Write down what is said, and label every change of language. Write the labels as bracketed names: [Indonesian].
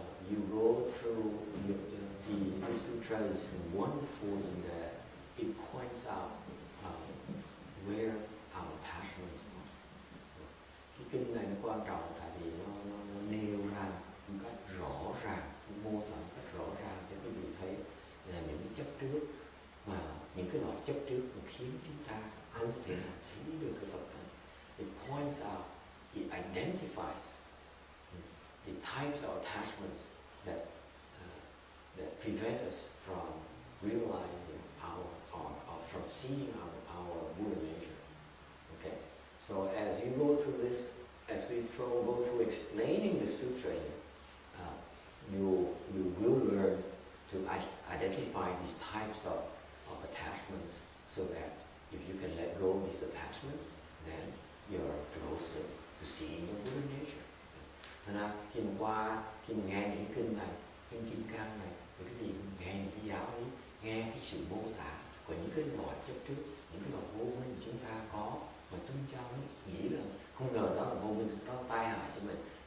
[English] You go through the sutra is wonderful in that it points out where our attachments are. [Vietnamese] Cái kinh này nó quan trọng tại vì nó nêu ra một cách rõ ràng, mô tả một cách rõ ràng cho quý vị thấy là những cái chấp trước mà những cái loại chấp trước mà khiến chúng ta không thể nào thấy được cái Phật tánh. [English] It points out, it identifies the types of attachments that that prevent us from realizing our or from seeing our Buddha nature. Okay. So as you go through this, as we go through explaining the sutra, you will learn to identify these types of attachments so that if you can let go of these attachments, then you're closer to seeing the Buddha nature. [Vietnamese] Thế nào, khi mà qua, khi mà nghe những kinh này, kinh Kim Cang này, thì quý vị nghe những cái giáo lý, nghe cái sự mô tả của những cái loại chấp trước, những cái loại vô minh chúng ta có, mà tôn trọng ấy, nghĩ là không ngờ đó là vô minh, đó là tai hại cho mình.